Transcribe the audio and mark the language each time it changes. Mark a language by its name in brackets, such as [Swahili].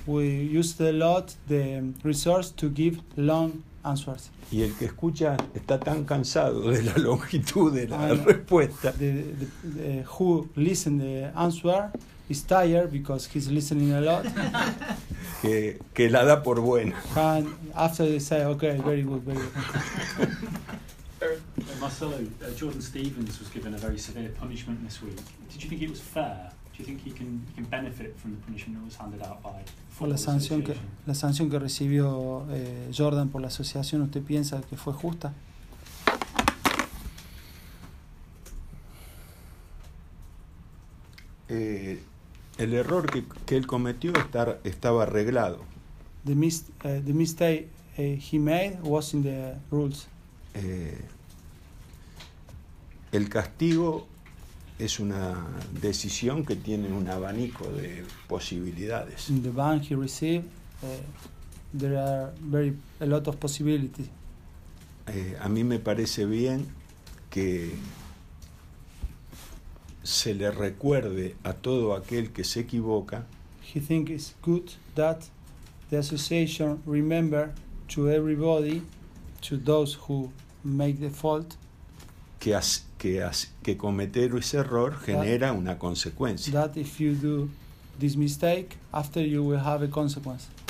[English] We use a lot the resource to give long answers. [Spanish] Y el que escucha está tan cansado de la longitud de la respuesta. [English] The who listen the answer is tired because he's listening a lot. [Spanish] que la da por buena. [English] And after they say, okay, very good, very good. Marcelo, Jordan Stevens was given a very severe punishment this week. Did you think it was fair? Do you think he can benefit from the punishment that was handed out by? [Spanish] La sanción que recibió Jordan por la asociación, ¿usted piensa que fue justa? El error que él cometió estaba arreglado. [English] The mistake he made was in the rules. [Spanish] El castigo es una decisión que tiene un abanico de posibilidades. [English] In the ban he received, there are a lot of possibilities. [Spanish] A mí me parece bien que se le recuerde a todo aquel que se equivoca. [English] He thinks it's good that the association remember to everybody, to those who make the fault. [Spanish] Que cometer ese error genera una consecuencia. [English] That if you do this mistake, after you will have a consequence.